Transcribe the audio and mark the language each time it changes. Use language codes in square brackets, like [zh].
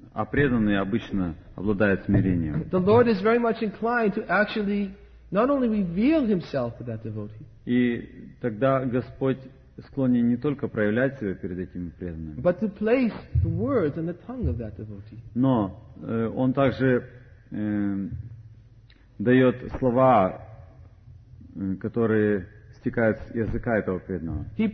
[ru] преданный обычно обладает смирением. [en] The Lord is very much inclined to actually not only reveal himself to that devotee. [ru] И тогда Господь склонен не только проявлять себя перед этими преданными, но он также дает слова, которые стекают с языка этого преданного.